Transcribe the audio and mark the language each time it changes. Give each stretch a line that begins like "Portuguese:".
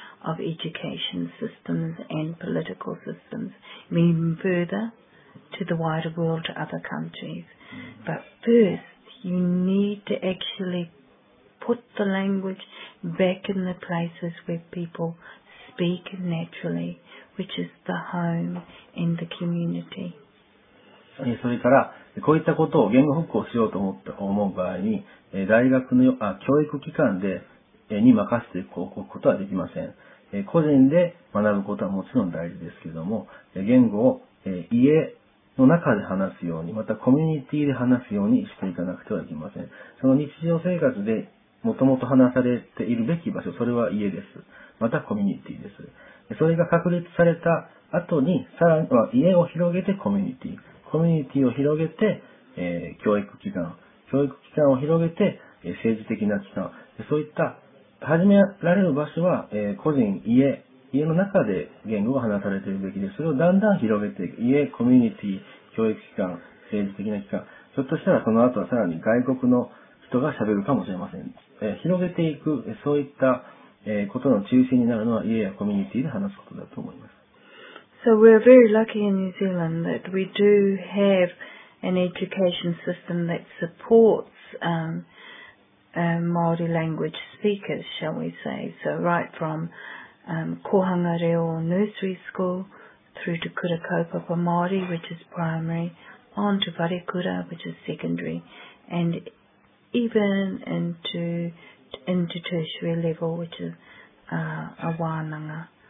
English: Of education systems and political systems, even further to the wider world, to other countries. Mm-hmm. But first, you need to actually put the language back in the places where people speak naturally, which is the home and the community.
Japanese: それからこういったことを言語復興しようと思って思う場合に、大学の教育機関でに任せて行くことはできません。個人で学ぶことはもちろん大事ですけれども、言語を家の中で話すように、またコミュニティで話すようにしていかなくてはいけません。その日常生活でもともと話されているべき場所、それは家です。またコミュニティです。それが確立された後に、さらには家を広げてコミュニティ。コミュニティを広げて、教育機関。教育機関を広げて、政治的な機関。そういった始められる場所は、個人、家、家の中で言語を話されているべきです。それをだんだん広げて、家、コミュニティ、教育機関、政治的な機関、ひょっとしたらその後はさらに外国の人が喋るかもしれません。広げていく、そういった、ことの中心になるのは家やコミュニティで話すことだと思います。
English: So we're very lucky in New Zealand that we do have an education system that supports, Māori language speakers, shall we say. So right from Kohanga Reo Nursery School through to Kura Kaupapa Māori, which is primary, on to Varekura, which is secondary, and even into tertiary level, which is a wānanga.